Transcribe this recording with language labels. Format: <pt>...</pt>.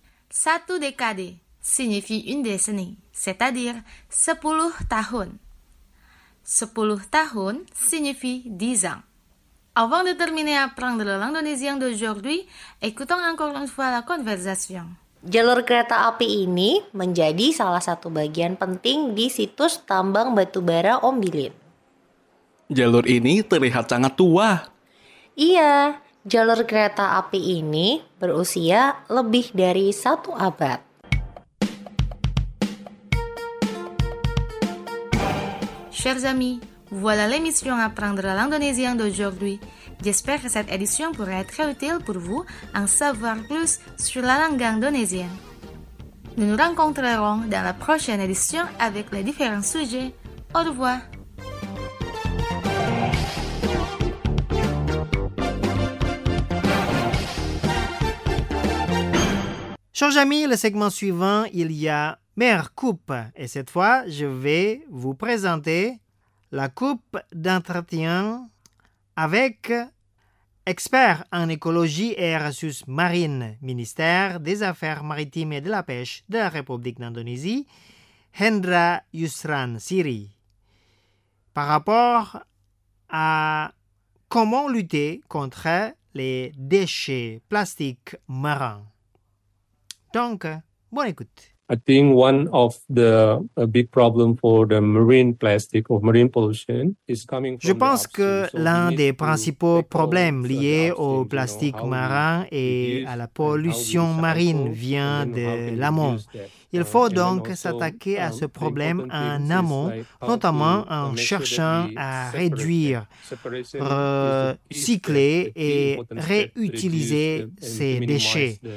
<fr>Satu décade signifie une décennie, c'est-à-dire</fr> <id>10 tahun. 10 tahun</id> <fr>signifie 10 ans. Avant de terminer apprendre le langue d'aujourd'hui, écoutons encore une fois la conversation.</fr> <id>Jalur kereta api ini menjadi salah satu bagian penting di situs tambang batubara Ombilin. Jalur ini terlihat sangat tua. Iya, jalur kereta api ini berusia lebih dari satu abad.</id> <fr>Chers amis, voilà l'émission Apprendre la langue indonésienne d'aujourd'hui. J'espère que cette édition pourra être très utile pour vous en savoir plus sur la langue indonésienne. Nous nous rencontrerons dans la prochaine édition avec les différents sujets. Au revoir! Chers amis, le segment suivant, il y a Mère Coupe. Et cette fois, je vais vous présenter la coupe d'entretien avec expert en écologie et ressources marines, ministère des Affaires maritimes et de la pêche de la République d'Indonésie, Hendra Yusran Siri, par rapport à comment lutter contre les déchets plastiques marins. Donc, bonne écoute.</fr> <en>I think one of the big problem for the marine plastic or marine pollution is coming from</en> <fr>Je pense que l'un des principaux problèmes liés au plastique marin et à la pollution marine vient de l'amont. Il faut donc s'attaquer à ce problème en amont, notamment en cherchant à réduire, recycler et réutiliser ces déchets.</fr>